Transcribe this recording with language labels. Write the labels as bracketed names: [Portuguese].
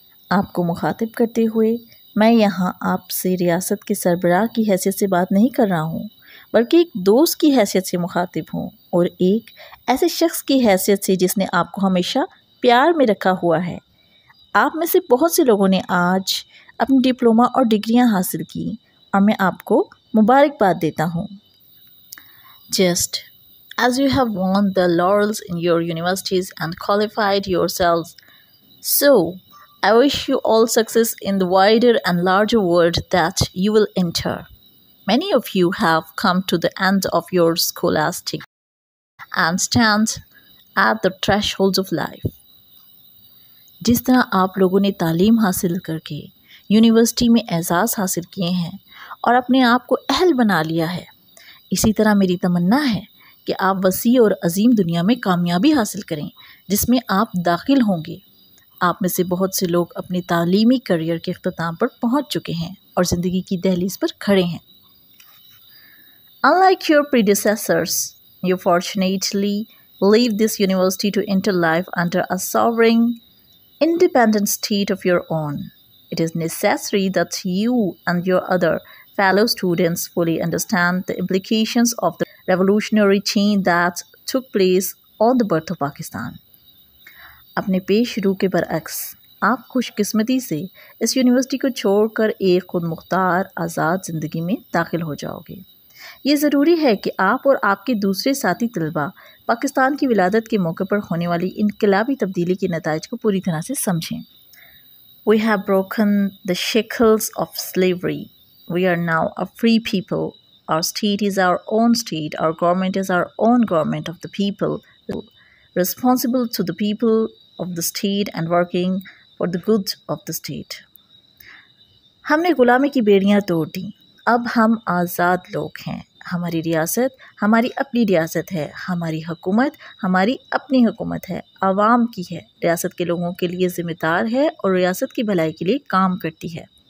[Urdu] آپ کو مخاطب کرتے ہوئے میں یہاں آپ سے ریاست کے سربراہ کی حیثیت سے بات نہیں کر رہا ہوں، بلکہ ایک دوست کی حیثیت سے مخاطب ہوں اور ایک ایسے شخص کی حیثیت سے جس نے آپ کو ہمیشہ پیار میں رکھا ہوا ہے۔ آپ میں سے بہت سے لوگوں نے آج اپنی ڈپلوما اور ڈگریاں حاصل کیں اور میں آپ کو مبارکباد دیتا ہوں۔ [English] Just As you have won the laurels in your universities and qualified yourselves, so I wish you all success in the wider and larger world that you will enter. Many of you have come to the end of your scholastic and stand at the threshold of life. [Urdu] Jis tarah aap logon ne taleem hasil karke university mein ehsaas hasil kiye hain aur apne aap ko ahl bana liya hai, isi tarah meri tamanna hai کہ آپ وسیع اور عظیم دنیا میں کامیابی حاصل کریں جس میں آپ داخل ہوں گے۔ آپ میں سے بہت سے لوگ اپنے تعلیمی کریئر کے اختتام پر پہنچ چکے ہیں اور زندگی کی دہلیز پر کھڑے ہیں۔ [English] Unlike your predecessors, you fortunately leave this university to enter life under a sovereign, independent state of your own. It is necessary that you and your other fellow students fully understand the implications of the revolutionary change that took place on the birth of Pakistan. [Urdu] اپنے پیش شروع کے برعکس، آپ خوش قسمتی سے اس university کو چھوڑ کر ایک خود مختار آزاد زندگی میں داخل ہو جاؤ گے۔ یہ ضروری ہے کہ آپ اور آپ کے دوسرے ساتھی طلبہ پاکستان کی ولادت کے موقع پر ہونے والی انقلابی تبدیلی کے نتائج کو پوری طرح سے سمجھیں۔ [English] We have broken the shackles of slavery. We are now a free people. Our state is our own state. Our government is our own government of the people, responsible to the people of the state and working for the good of the state. [Urdu] ہم نے غلامی کی بیڑیاں توڑ دیں، اب ہم آزاد لوگ ہیں۔ ہماری ریاست ہماری اپنی ریاست ہے، ہماری حکومت ہماری اپنی حکومت ہے، عوام کی ہے، ریاست کے لوگوں کے لیے ذمہ دار ہے اور ریاست کی بھلائی کے لیے کام کرتی ہے.